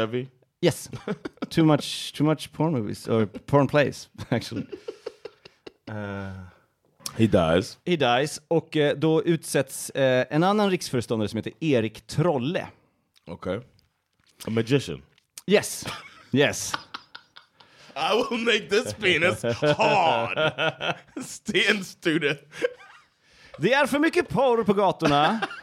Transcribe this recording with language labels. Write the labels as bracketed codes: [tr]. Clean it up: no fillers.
[en] HIV? Yes. Too much porn movies. Or porn plays, actually. He dies. [sv] Och då utsätts en annan riksföreståndare som heter Erik Trolle. Okej. [en] Okay. A magician. Yes. Yes. I will make this penis hard. [sv] Sten Sture. Det är för mycket porr på gatorna.